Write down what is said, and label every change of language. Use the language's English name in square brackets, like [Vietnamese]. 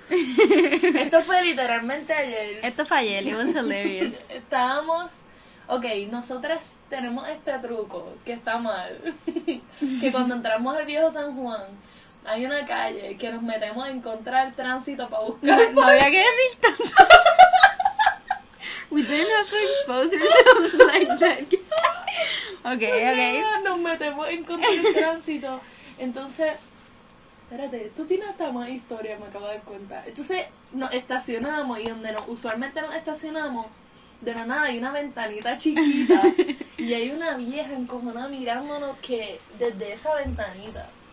[Spanish] Esto fue literalmente ayer. Esto fue ayer, [English] it was hilarious. [Spanish] Estábamos, okay, nosotras tenemos este truco que está mal. Que cuando entramos al viejo San Juan, hay una calle que nos metemos a encontrar el tránsito para buscar. No había que decir tanto. [English] We didn't have to expose ourselves like that. Okay. [Spanish] Nos metemos en contra del tránsito. Entonces, espérate, tú tienes hasta más historia, me acabo de dar cuenta. Entonces, nos estacionamos y donde usualmente nos estacionamos, de la nada hay una ventanita chiquita y hay una vieja encojonada mirándonos que desde esa ventanita.